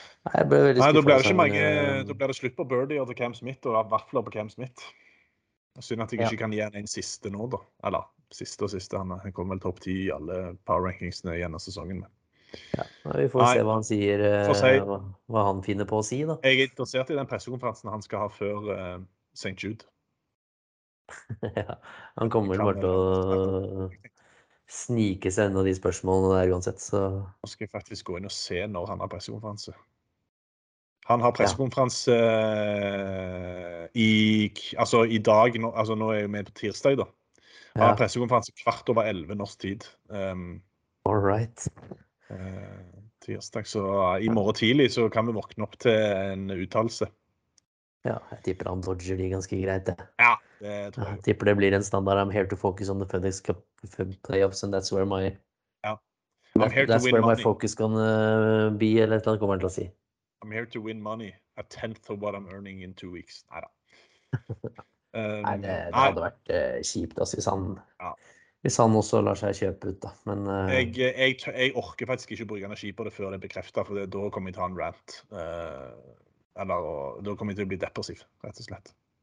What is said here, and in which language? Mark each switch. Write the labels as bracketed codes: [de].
[no] Nei, jeg ble veldig skuffet. Nei, da blir det slutt på birdie og til Cam Smith, og vaffler på Cam Smith. Jeg synes at jeg ikke kan gi en siste nå, da. Eller, siste og siste. Han kom vel topp 10 i alle power-rankingsene gjennom sesongen med. Ja, vi får se hva han sier, hva han finner på å si da. Jeg er interessert i den pressekonferansen han skal ha før St. Jude. Ja, han kommer bare til å snike seg en av de spørsmålene der uansett. Så. Nå skal jeg faktisk gå inn og se når han har pressekonferanse. Han har pressekonferanse i dag, nå er jeg med på tirsdag da. Han har pressekonferanse 10:45 norsk tid. [en] All right. [no] Tirsdag, så i morgen tidlig så kan vi våkne opp til en uttalelse. Ja, jeg tipper han dodger de ganske greit. Ja, det tror jeg. Jeg tipper det blir en standard. [en] I'm here to focus on the FedEx Cup playoffs and that's where my that's where money. My focus gonna be, [no] eller et eller annet kommer til å si. [en] I'm here to win money. A tenth of what I'm earning in 2 weeks. [no] Neida. Nei, det hadde vært kjipt altså, hvis han hvis han også lar seg kjøpe ut, da. Men, jeg orker faktisk ikke bruke energi på det før det er bekreftet, for da kommer jeg til å ha en rant. Da kommer jeg til å bli depressiv, rett og slett.